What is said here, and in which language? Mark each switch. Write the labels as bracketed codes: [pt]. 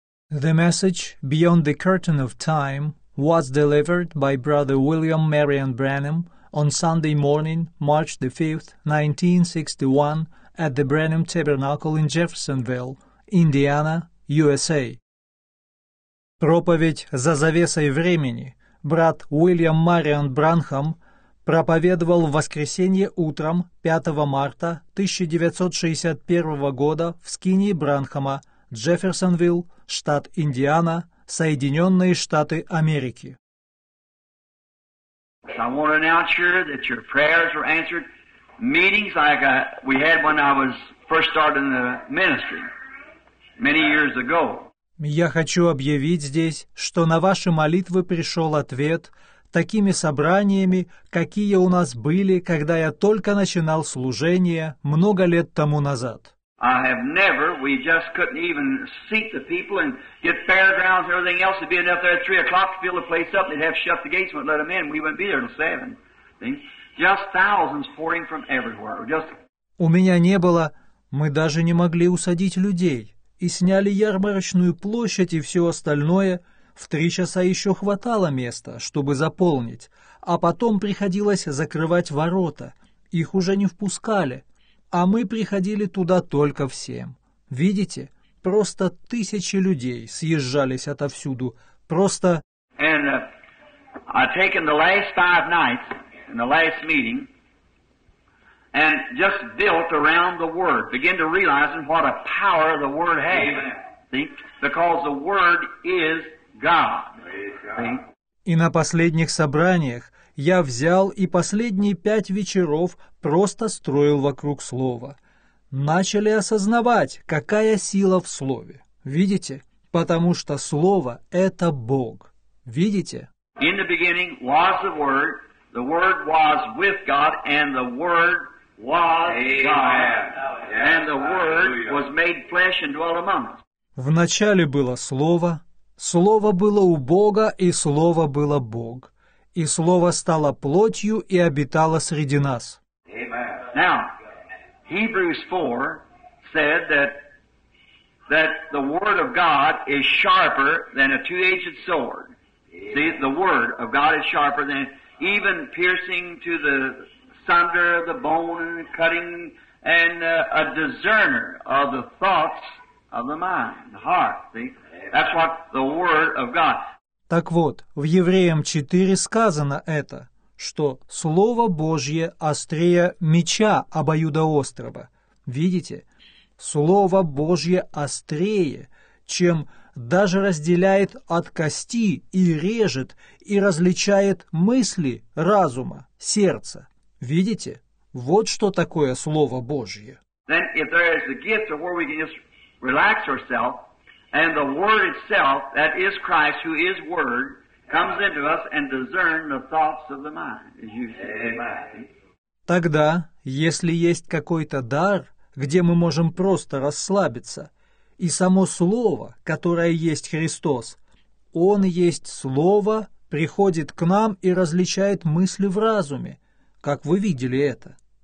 [en] The message Beyond the Curtain of Time was delivered by Brother William Marion Branham on Sunday morning, March the 5th, 1961, at the Branham Tabernacle in Jeffersonville, Indiana, USA. [ru] Проповедь «За завесой времени» брат Уильям Марион Бранхам проповедовал в воскресенье утром 5 марта 1961 года в скинии Бранхама, Джефферсонвилл, штат Индиана, Соединенные Штаты Америки. [en] So I want to announce here that your prayers were answered. Meetings like we had when I was first starting the ministry many years ago. [ru] Я хочу объявить здесь, что на ваши молитвы пришел ответ такими собраниями, какие у нас были, когда я только начинал служение много лет тому назад. [en] I have never, we just couldn't even seat the people and get fairgrounds and everything else. It'd be enough there at 3 o'clock to fill the place up and they'd have to shut the gates and let them in. We wouldn't be there till 7. Just thousands pouring from everywhere. Just... [ru] У меня не было, мы даже не могли усадить людей. И сняли ярмарочную площадь и все остальное. В 3 часа еще хватало места, чтобы заполнить. А потом приходилось закрывать ворота. Их уже не впускали. А мы приходили туда только всем. Видите, просто тысячи людей съезжались отовсюду. Просто... [en] And, I've taken the last 5 nights in the last meeting and just built around the Word, begin to realize what a power the Word has, because the Word is God. [ru] И на последних собраниях я взял и последние 5 вечеров просто строил вокруг слова. Начали осознавать, какая сила в слове. Видите? Потому что слово — это Бог. Видите? [en] In the beginning was the Word was with God, and the Word was God. And the Word was made flesh and dwelt among us. [ru] В начале было слово, слово было у Бога, и слово было Бог. И слово стало плотью и обитало среди нас. [en] Now, Hebrews 4 said that the word of God is sharper than a two-edged sword. See, the word of God is sharper than even piercing to the sunder of the bone and cutting and a discerner of the thoughts of the mind, the heart. See, that's what the word of God. [ru] Так вот, в Евреям 4 сказано это, что Слово Божье острее меча обоюдоострого. Видите? Слово Божье острее, чем даже разделяет от кости и режет, и различает мысли, разума, сердца. Видите? Вот что такое Слово Божье. [en] Then if there is a gift to where we can just relax ourselves, and the Word itself, that is Christ, who is Word, comes into us and discerns the thoughts of the mind. As you say. [ru] Тогда, если есть какой-то дар, где мы можем просто расслабиться, и само Слово, которое есть Христос, Он есть Слово, приходит к нам и различает мысли в разуме, как вы видели это.